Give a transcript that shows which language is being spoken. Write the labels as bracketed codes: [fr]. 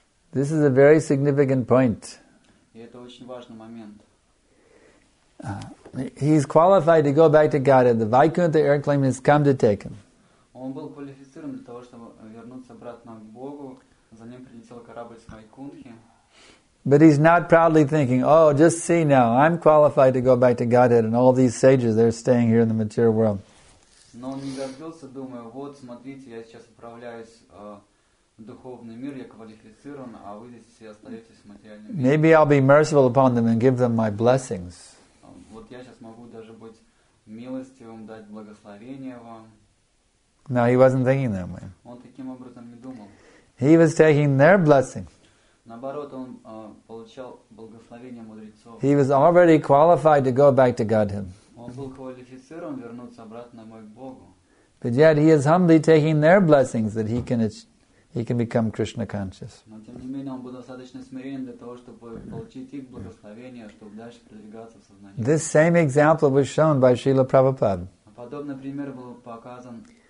[en] This is a very significant point. He is qualified to go back to Godhead. The Vaikuntha airplane has come to take him. [ru] Он был квалифицирован для того, чтобы вернуться обратно к Богу. За ним прилетел корабль с Вайкунтхи. [en] But he's not proudly thinking, oh, just see now, I'm qualified to go back to Godhead and all these sages, they're staying here in the material world. [ru] Но он не гордился, думая, вот, смотрите, я сейчас отправляюсь в духовный мир, я квалифицирован, а вы здесь все остаетесь в материальном мире. [en] Maybe I'll be merciful upon them and give them my blessings. [ru] Вот я сейчас могу даже быть милостивым, дать благословение вам. [en] No, he wasn't thinking that way. [ru] Он таким образом не думал. [en] He was taking their blessing. [ru] Наоборот, он получал благословение мудрецов. [en] He was already qualified to go back to Godhead. [ru] Он был квалифицирован вернуться обратно к Богу. [en] But yet he is humbly taking their blessings that he can become Krishna conscious. [ru] Но тем не менее он был достаточно смиренным для того, чтобы получить их благословение, чтобы дальше продвигаться в сознании. [en] This same example was shown by Srila Prabhupada. [ru] Подобный пример был показан.